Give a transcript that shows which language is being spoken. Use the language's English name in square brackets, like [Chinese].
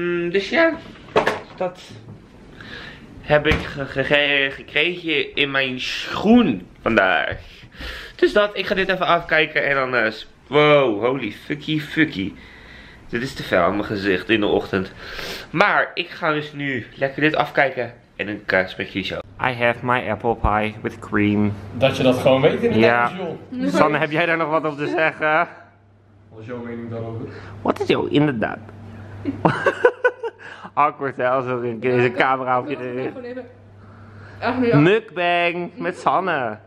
[Dutch] Dus ja, dat heb ik gekregen in mijn schoen vandaag. Dus dat, ik ga dit even afkijken en dan wow, [English] holy fucky fucky. [Dutch] Dit is te veel aan mijn gezicht in de ochtend. Maar ik ga dus nu lekker dit afkijken. En een kaarspekje zo. [English] I have my apple pie with cream. [Dutch] Dat je dat gewoon weet in het ja. Nee. Sanne, heb jij daar nog wat op te zeggen? Wat is jouw mening daarover? Wat is jouw, inderdaad. Awkward, hè, als er in deze camera op je erin. Mukbang met Sanne.